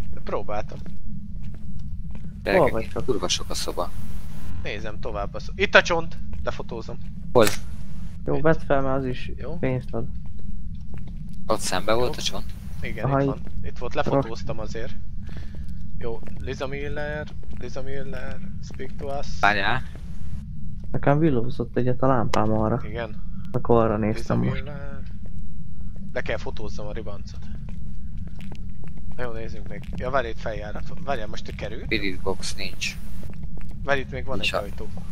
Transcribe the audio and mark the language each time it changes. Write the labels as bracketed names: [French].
[Hungarian] Próbáltam. Hol vagy csak? Kurva sok a szoba. Nézem tovább a szoba. Itt a csont! Lefotózom. Hol? Jó, vedd fel, mert az is jó. Pénzt ad. Ott szembe volt a csont? Igen, aha, itt van. Itt volt, lefotóztam azért. [English] Jó, Liza Miller, speak to us. [Hungarian] Várjál. Nekem villózott egyet a lámpám arra. Igen. Akkor arra néztem most. Liza Miller. Le kell fotózzam a ribancot. Na jó, nézzünk még. Ja, várj itt feljárat. Várjál, most te kerül. Spirit box nincs. Várj itt még van nincs egy ajtó.